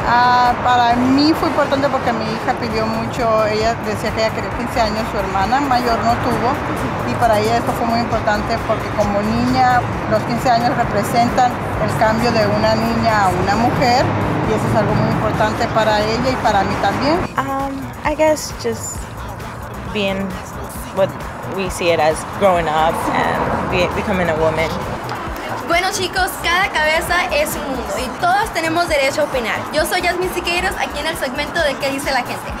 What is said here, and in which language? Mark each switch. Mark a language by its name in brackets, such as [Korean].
[Spanish] Ah, para mí fue importante porque mi hija pidió mucho, ella decía que ella quería 15 años, su hermana mayor no tuvo, y para ella esto fue muy importante porque como niña, los 15 años representan el cambio de una niña a una mujer, y eso es algo muy importante para ella y para mí también. [English] I guess just being what we see it as growing up and becoming a woman. [Spanish] Bueno chicos, cada cabeza es un mundo y todos tenemos derecho a opinar. Yo soy Yasmin Siqueiros, aquí en el segmento de ¿qué dice la gente?